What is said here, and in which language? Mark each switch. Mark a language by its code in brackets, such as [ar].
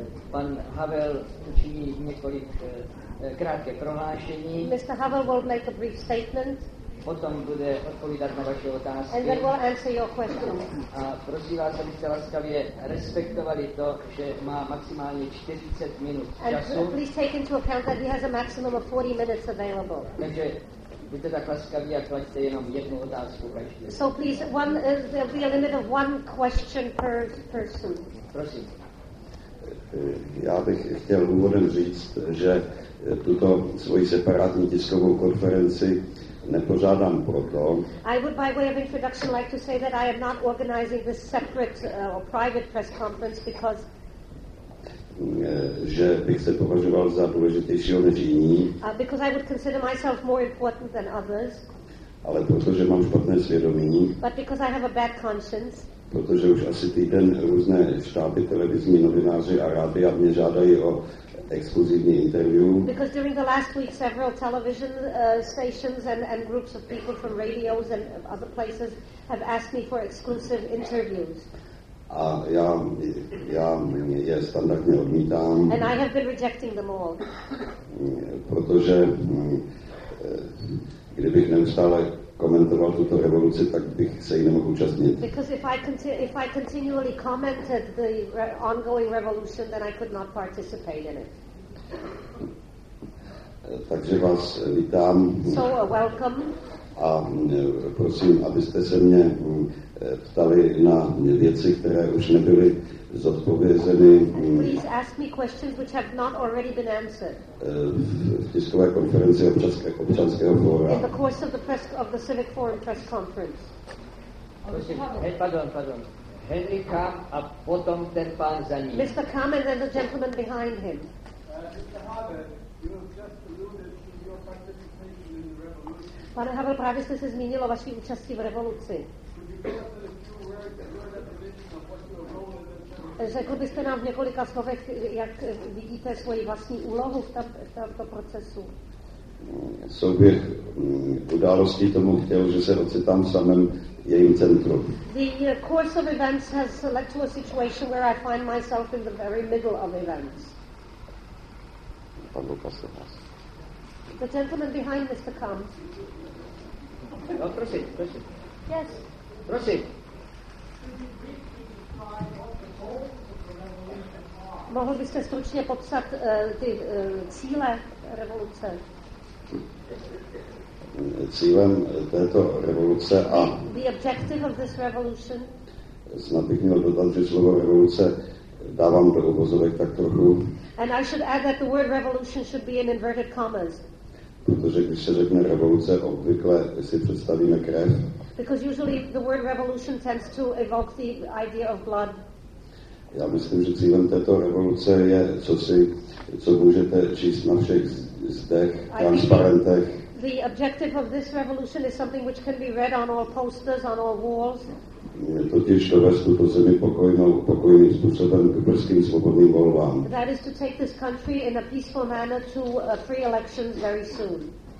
[cs] Pan Havel učiní několik krátké prohlášení. [en] Mr. Havel will make a brief statement. [cs] Potom bude odpovídat na vaše otázky. [en] And then we'll answer your questions. [cs] A prosím vás, abyste laskavě respektovali to, že má maximálně 40 minut času. [en] And please take into account that he has a maximum of 40 minutes available. [cs] Takže buďte tak laskaví a klaďte jenom jednu otázku každý. [en] So please, there will be a limit of one question per person. [cs] Prosím. Já bych chtěl úvodem říct, že tuto svoji separátní tiskovou konferenci nepořádám proto. [en] I would, by way of introduction, like to say that I am not organizing this separate or private press conference because [cs] že bych se považoval za důležitějšího než jiní. [en] Because I would consider myself more important than others. [cs] Ale protože mám špatné svědomí. [en] But because I have a bad conscience. [cs] Protože už asi týden různé štáby televizní, novináři a rádia mě žádají o exkluzivní interview. [en] Because during the last week several television stations and groups of people from radios and other places have asked me for exclusive interviews. [cs] A já je standardně odmítám. [en] And I have been rejecting them all. [cs] Protože kdybych neustále komentoval tuto revoluci, tak bych se jí nemohl účastnit. [en] Because if I continually commented the ongoing revolution, then I could not participate in it. [cs] Takže vás vítám. [en] So welcome. [cs] A prosím, abyste se mě ptali na věci, které už nebyly zodpovězeny. [en] Please ask me questions which have not already been answered. [cs] V tiskové konferenci občanského fóra. [en] In the course of the press of the civic forum press conference. [cs] Pardon. Henry Kam a potom ten pán za ním. [en] Mr. Kam and then the gentleman behind him. [cs] Pane Havel, právě jste se zmínil o vaší účasti v revoluci. Řekl byste nám v několika slovech, jak vidíte svoji vlastní úlohu v tomto procesu? Souběh událostí tomu chtěl, že se ocitám v samém jejím centru. [en] The course of events has led to a situation where I find myself in the very middle of events. [cs] Pan Lukas se vás. [en] The gentleman behind Mr. Kam. [cs] No, prosím. [en] Yes. [cs] Prosím. Mohl byste stručně popsat cíle revoluce? Cílem této revoluce a [en] the objective of this revolution. [cs] Snad bych měl dodat, že slovo revoluce dávám do uvozovek tak trochu. [en] And I should add that the word revolution should be in inverted commas. [cs] Protože když se řekne revoluce, obvykle si představíme krev. [en] Because usually the word revolution tends to evoke the idea of blood. [cs] Já myslím, že cílem této revoluce je cosi, co můžete číst na všech zdech, transparentech. [en] The objective of this revolution is something which can be read on all posters, on all walls. [cs] Je totiž dovést tuto zemi pokojným způsobem k brzkým svobodným volbám. [en] That is to take this country in a peaceful manner to free elections very soon.